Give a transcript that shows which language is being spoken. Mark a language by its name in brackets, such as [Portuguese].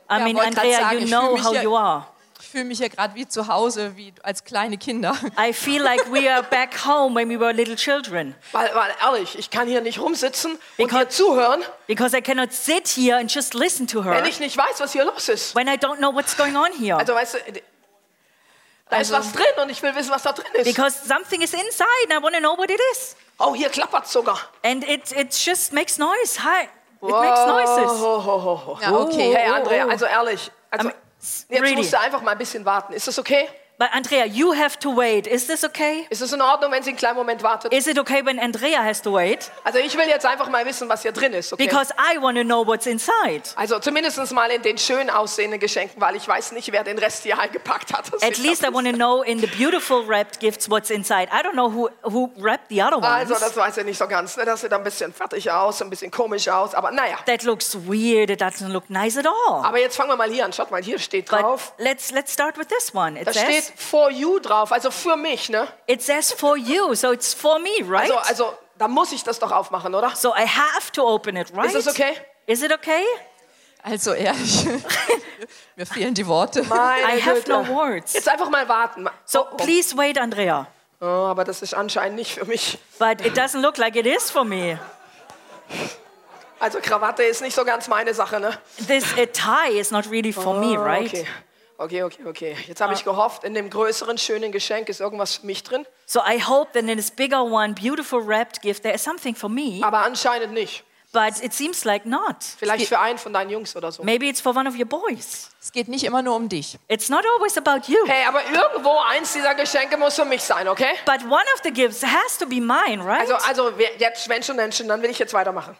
[English] I mean Andrea, you know how you are. [German] Ich fühle mich hier gerade wie zu Hause, wie als kleine Kinder. [English] I feel like we are back home when we were little children. [German] Weil ehrlich, ich kann hier nicht rumsitzen und hier zuhören. [English] Because I cannot sit here and just listen to her. [German] Wenn ich nicht weiß, was hier los ist. [English] When I don't know what's going on here. [German] Also weißt du, da ist was drin und ich will wissen, was da drin ist. [English] Because something is inside and I want to know what it is. [German] Oh, hier klappert sogar. [English] And it just makes noise. Hi. It makes noises. [German] Ja, okay. Hey, Andrea, also ehrlich. Jetzt [English] really. [German] Musst du einfach mal ein bisschen warten. Ist das okay? [English] But Andrea, you have to wait. Is this okay? [German] Ist es in Ordnung, wenn sie einen kleinen Moment wartet? [English] Is it okay when Andrea has to wait? [German] Also ich will jetzt einfach mal wissen, was hier drin ist, okay? [English] Because I want to know what's inside. [German] Also zumindest mal in den schön aussehenden Geschenken, weil ich weiß nicht, wer den Rest hier eingepackt hat. [English] At least I want to know in the beautiful wrapped gifts what's inside. I don't know who wrapped the other ones. [German] Also das weiß ich nicht so ganz. Ne? Das sieht ein bisschen fertig aus, ein bisschen komisch aus, aber naja. [English] That looks weird. It doesn't look nice at all. [German] Aber jetzt fangen wir mal hier an. Schaut mal, hier steht drauf. [English] But let's start with this one. It [German] da [English] says, [German] steht [English] for you [German] drauf, also für mich, ne? [English] It says for you, so it's for me, right? [German] Also da muss ich das doch aufmachen, oder? [English] So I have to open it, right? Is this okay? Is it okay? [German] Also ehrlich, mir fehlen die Worte. Meine [English] I have [German] Güte. [English] No words. [German] Jetzt einfach mal warten. [English] So please wait, Andrea. [German] Oh, aber das ist anscheinend nicht für mich. [English] But it doesn't look like it is for me. [German] Also Krawatte ist nicht so ganz meine Sache, ne? [English] This tie is not really for me, right? Okay. [German] Jetzt habe ich gehofft, in dem größeren schönen Geschenk ist irgendwas für mich drin. [English] So I hope that in this bigger one, beautiful wrapped gift, there is something for me. [German] Aber anscheinend nicht. [English] But it seems like not. [German] Vielleicht für einen von deinen Jungs oder so. [English] Maybe it's for one of your boys. [German] Es geht nicht immer nur um dich. [English] It's not always about you. [German] Hey, aber irgendwo eins dieser Geschenke muss für mich sein, okay? [English] But one of the gifts has to be mine, right? [German] Also jetzt, wenn schon, dann will ich jetzt weitermachen.